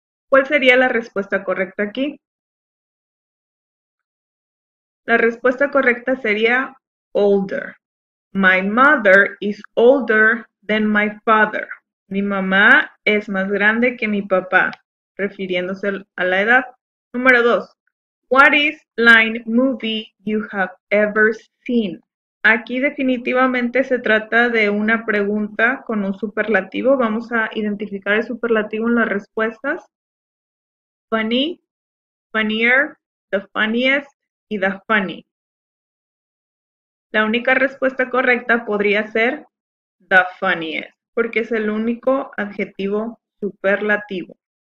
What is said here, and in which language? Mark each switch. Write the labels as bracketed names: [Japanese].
[Spanish] ¿Cuál sería la respuesta correcta aquí? La respuesta correcta sería [English] older. My mother is older than my father. [Spanish] Mi mamá es más grande que mi papá, refiriéndose a la edad. Número dos. [English] What is line movie you have ever seen? [Spanish] Aquí definitivamente se trata de una pregunta con un superlativo. Vamos a identificar el superlativo en las respuestas. [English] Funny, funnier, the funniest. Y the funny. [Spanish] La única respuesta correcta podría ser the funniest, porque es el único adjetivo superlativo.